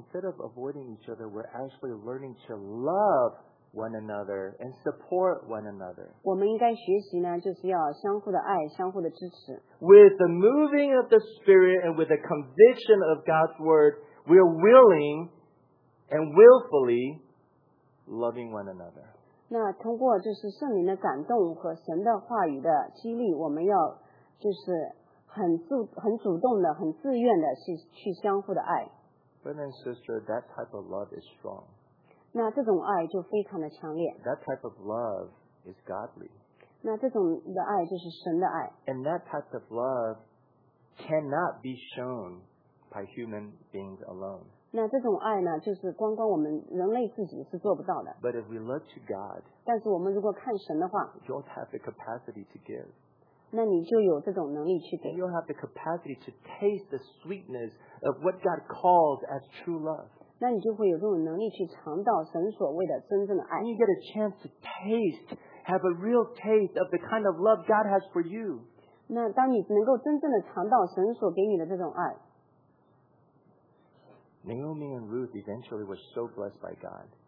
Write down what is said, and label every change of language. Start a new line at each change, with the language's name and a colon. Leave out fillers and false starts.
English: Instead of avoiding each other, we're actually learning to love one another and support one another.
Chinese: 我们应该学习呢，就是要相互的爱，相互的支持。
English: With the moving of the Spirit and with the conviction of God's word, we are willing and willfully loving one another.
Chinese: 那通过就是圣灵的感动和神的话语的激励，我们要就是很主动的、很自愿的去相互的爱。
English: Brother and sister, that type of love is strong.
Chinese: 那这种爱就非常的强烈。
English: That type of love is godly.
Chinese: 那这种的爱就是神的爱。
English: And that type of love cannot be shown by human beings alone.
Chinese: 那这种爱呢, 就是光光我们人类自己是做不到的。
English: But if we look to God,
Chinese: 但是我们如果看神的话,
English: you'll have the capacity to give.
Chinese: 那你就有这种能力去给。
English: And you'll have the capacity to taste the sweetness of what God calls as true love.
Chinese: 那你就会有这种能力去尝到神所谓的真正的爱。
English: And you get a chance to taste, have a real taste of the kind of love God has for you.
Chinese: 那当你能够真正的尝到神所给你的这种爱。
English: Naomi and Ruth eventually were so blessed by God.